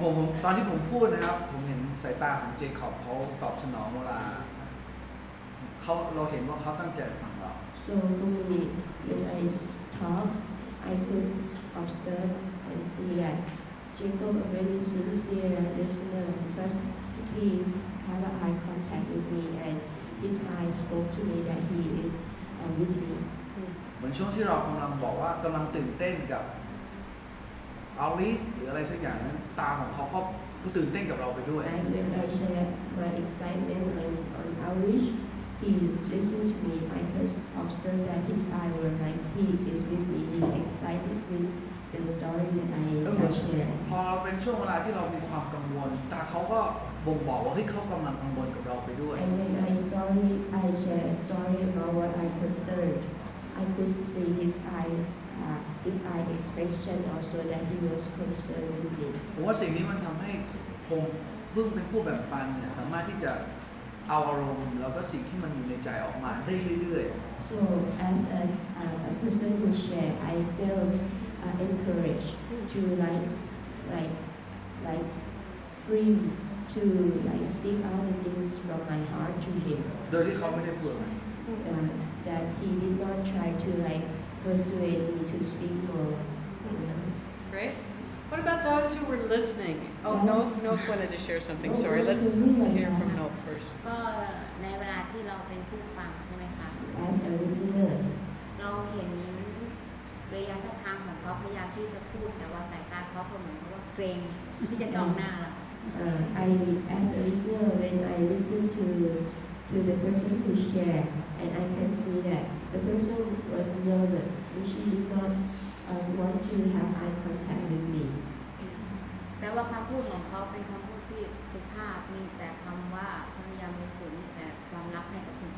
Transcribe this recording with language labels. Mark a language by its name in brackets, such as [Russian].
[Thai] ผมตอนที่ผมพูดนะครับผมเห็นสายตาของเจคอบเขาตอบสนองเวลาเราเห็นว่าเขาตั้งใจฟังเรา [English] So for me when I talk I could observe and see that Jacob a very sincere listener but he have an eye contact with me and his eyes spoke to me that he is with me [Thai] เหมือนช่วงที่เรากำลังบอกว่ากำลังตื่นเต้นกับเอาลิสหรืออะไรสักอย่างนั้นตาของเขาก็ตื่นเต้นกับเราไปด้วย [English] I remember sharing my excitement when on outreach he listened to me I first observed that his eyes were like he is with me he excited with the story that I shared [Thai] พอเราเป็นช่วงเวลาที่เรามีความกังวลตาเขาก็บ่งบอกว่าเฮ้ยเขากำลังกังวลกับเราไปด้วย [English] And when I share a story about what I concerned I could see his eyesHis eye expression also that he was concerned with me. [Thai] ว่าสิ่งนี้มันทำให้ผมเพิ่งเป็นผู้แบ่งปันเนี่ยสามารถที่จะเอาอารมณ์แล้วก็สิ่งที่มันอยู่ในใจออกมาได้เรื่อย [English] ๆ So as a person who shared, I felt encouraged to like free to like speak out the things from my heart to him. [Thai] โดยที่เขาไม่ได้พูดอะไร [English] That he did not try to likepersuade me to speak for Great. What about those who were listening? Oh, Nope wanted to share something. Sorry, let's hear from Nope first. [Thai] ก็ในเวลาที่เราเป็นผู้ฟังใช่ไหมคะ [English] As a listener. [Thai] เราเห็นระยะทางของเขาพยายามที่จะพูดแต่ว่าสายตาเขาก็เหมือนกับว่าเกรงที่จะจ้องหน้า [English] As a listener, when I listen to the person who shared, and I can see that. The person was nervous. She did not want to have eye contact with me. [Thai] แต่ว่าคำพูดของเขาเป็นคำพูดที่สุภาพมีแต่คำว่าพยายามมีสื่อมีแต่ความรักให้กับคุณ